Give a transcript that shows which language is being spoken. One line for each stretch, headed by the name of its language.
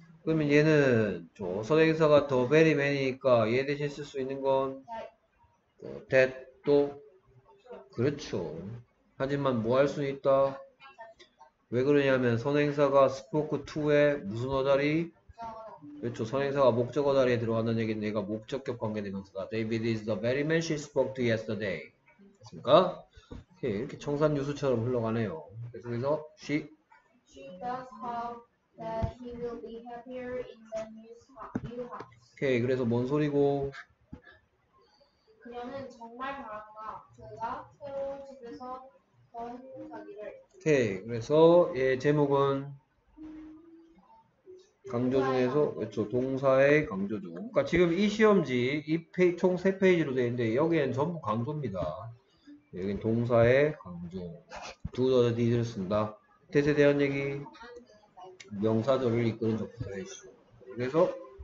Korean: 그러면 얘는 선행사가 더 베리 맨이니까 얘 대신 쓸수 있는 건 that 또 그렇죠. 하지만 뭐할수 있다? 왜 그러냐면 선행사가 spoke to의 무슨 어자리? 그렇죠. 선행사가 목적어 자리에 들어간다는 얘기는 얘가 목적격 관계대명사다.
English: David is the very man she spoke to yesterday.
Korean: 그렇습니까? 이렇게 청산 유수처럼 흘러가네요. 그래서 she
English: She does hope that he will be happier in the new house.
Korean: 오케이 그래서 뭔 소리고 그녀는 정말 바란다. 그가 새로운 집에서 더 행복하기를. 오케이 그래서 얘 제목은 강조 중에서 그렇죠 동사의 강조 중 그러니까 지금 이 시험지 이 페이 총세 페이지로 되어 있는데 여기엔 전부 강조입니다 여긴 동사의 강조 두 더더 디즈를 쓴다 뜻에 대한 얘기 명사절을 이끄는 접근사의 수 그래서